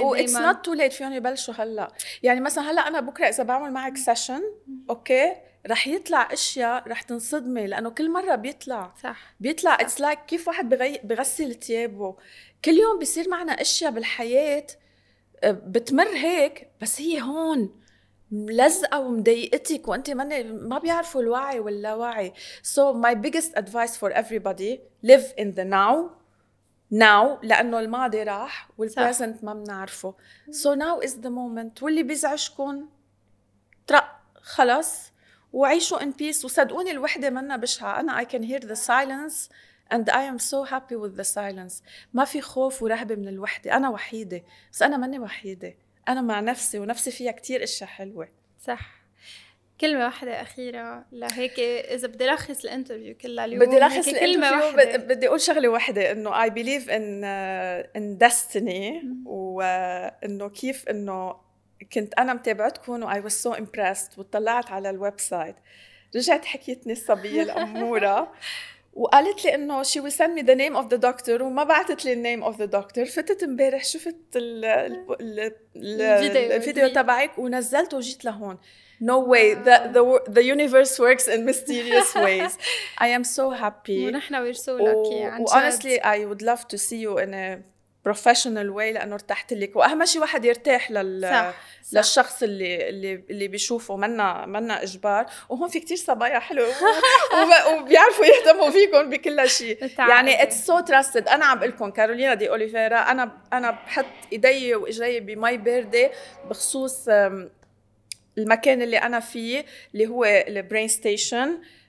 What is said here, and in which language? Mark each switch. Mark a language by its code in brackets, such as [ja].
[ar] و [en] it's not too late [ar] فيهم يبلشوا هلأ يعني مثلا هلأ أنا بكرة إذا بعمل معك session أوكي رح يطلع أشياء رح تنصدمي لأنه كل مرة بيطلع بيطلع [en] it's like [ar] كيف واحد بغسل تيابه كل يوم بيصير معنا أشياء بالحياة بتمر هيك بس هي هون ملزقه ومضايقتك وانت ما بيعرفوا الوعي ولا وعي. [en] So my biggest advice for everybody, live in the now. Now, [ar] لأنه الماضي راح والpresent ما بنعرفه. [en] So now is the moment. [ar] واللي بيزعجكم ترق خلاص وعيشوا [en] in peace. [ar] وصدقوني الوحدة منا بشعة. أنا [en] I can hear the silence and I am so happy with the silence. [ar] ما في خوف ورهبة من الوحدة. أنا وحيدة بس أنا مني وحيدة. أنا مع نفسي ونفسي فيها كتير إشياء حلوة. صح. كلمة واحدة أخيرة لهيك إذا بدي لخص الانترفيو كلها اليوم. بدي لخص الانترفيو واحدة. بدي أقول شغلة واحدة إنه [en] I believe in destiny [ar] وإنه كيف إنه كنت أنا متابعتكم و [en] I was so impressed [ar] وطلعت على الويب سايت رجعت حكيتني الصبية الأمورة وقالت لي إنه [en] she will send me the name of the doctor [ar] وما بعتت لي [en] the name of the doctor. [ar] فتت مبارح شفت الفيديو تبعك ونزلت وجيت لهون. [en] No way. The universe works in mysterious ways. I am so happy. [ar] ونحن [en] we're so lucky. Honestly, I would love to see you in a professional way [ar] لأنه ارتحت لك. وأهم شيء واحد يرتاح للشخص اللي بيشوفه منا إجبار. وهم في كتير صبايا حلو وبيعرفوا يهتموا فيكم بكل شيء. يعني [en] it's so trusted. [ar] أنا عم بقولكم كارولينا دي أوليفيرا. أنا بحط إيدي وإجري بمي باردة بخصوص المكان اللي أنا فيه اللي هو البرين ستيشن.